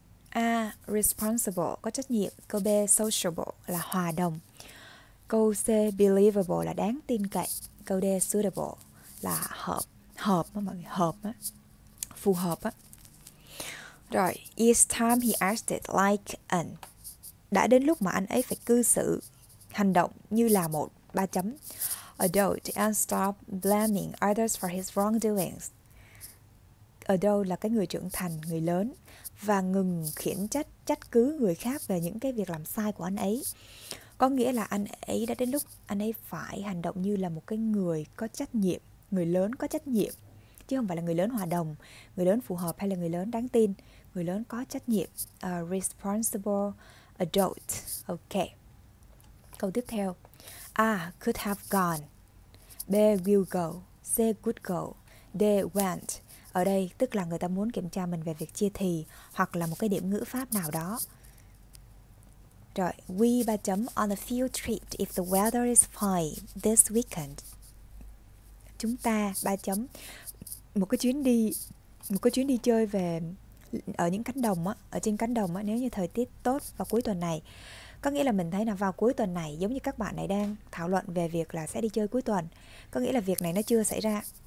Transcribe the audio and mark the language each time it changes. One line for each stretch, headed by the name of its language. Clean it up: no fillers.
Vietnamese: A, responsible, có trách nhiệm. Câu B, sociable, là hòa đồng. Câu C, believable, là đáng tin cậy. Câu D, suitable, là hợp. Hợp á mọi người, hợp á, phù hợp á. Rồi,
English: it's time he acted it like an.
Vietnamese: Đã đến lúc mà anh ấy phải cư xử, hành động như là một, ba chấm.
English: Adult and stop blaming others for his wrongdoings.
Vietnamese: Adult là cái người trưởng thành, người lớn, và ngừng khiển trách, trách cứ người khác về những cái việc làm sai của anh ấy. Có nghĩa là anh ấy đã đến lúc anh ấy phải hành động như là một cái người có trách nhiệm, người lớn có trách nhiệm. Chứ không phải là người lớn hòa đồng, người lớn phù hợp hay là người lớn đáng tin. Người lớn có trách nhiệm,
English: responsible adult.
Vietnamese: Ok. Câu tiếp theo. A, could have gone. B, will go. C, could go. D, went. Ở đây tức là người ta muốn kiểm tra mình về việc chia thì hoặc là một cái điểm ngữ pháp nào đó.
English: Rồi, we
Vietnamese: ba chấm,
English: on a field trip if the weather is fine this weekend.
Vietnamese: Chúng ta ba chấm, một cái chuyến đi chơi về ở những cánh đồng á, ở trên cánh đồng á, nếu như thời tiết tốt vào cuối tuần này. Có nghĩa là mình thấy là vào cuối tuần này, giống như các bạn này đang thảo luận về việc là sẽ đi chơi cuối tuần. Có nghĩa là việc này nó chưa xảy ra.